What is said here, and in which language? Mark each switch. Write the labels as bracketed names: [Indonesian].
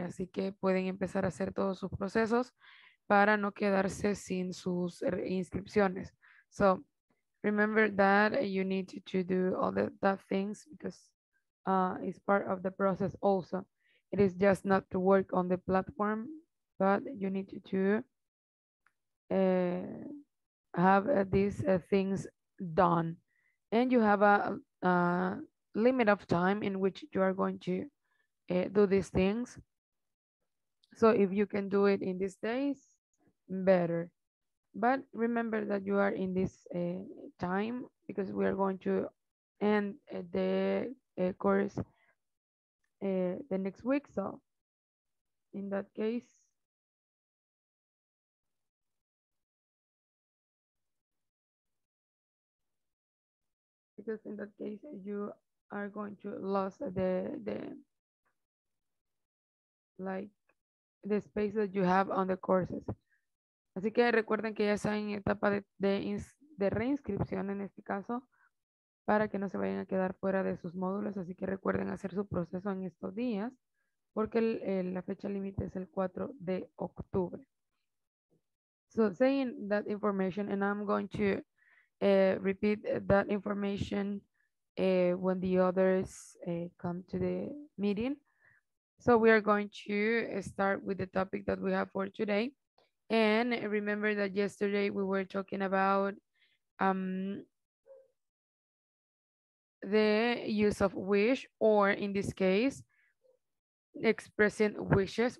[Spanish] Así que pueden empezar a hacer todos sus procesos para no quedarse sin sus inscripciones. [English] So, remember that you need to do all the things because it's part of the process also. It is just not to work on the platform, but you need to have these things done. And you have a limit of time in which you are going to do these things. So if you can do it in these days, better. But remember that you are in this time because we are going to end the course the next week. So in that case, because in that case you are going to lose the space that you have on the courses. [Spanish] Así que recuerden que ya están en etapa de reinscripción en este caso, para que no se vayan a quedar fuera de sus módulos. Así que recuerden hacer su proceso en estos días, porque la fecha límite es el 4 de octubre. [English] So saying that information, and I'm going to repeat that information when the others come to the meeting. So we are going to start with the topic that we have for today. And remember that yesterday we were talking about the use of wish, or in this case, expressing wishes.